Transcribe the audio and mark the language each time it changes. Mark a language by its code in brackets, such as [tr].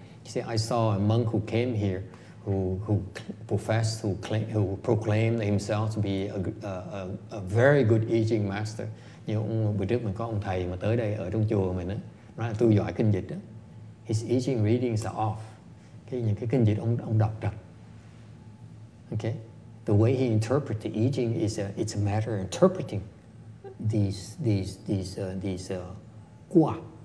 [en] You see, I saw a monk who came here who proclaimed himself to be a very good I Ching master. [vi] You know, bữa trước mình có ông thầy mà tới đây ở trong chùa mình đó. Nói là tu giỏi kinh dịch đó. [en] His I Ching readings are off. [vi] Những cái kinh dịch ông đọc trật. [en] Okay, the way he interprets the I Ching is it's a matter of interpreting these quả.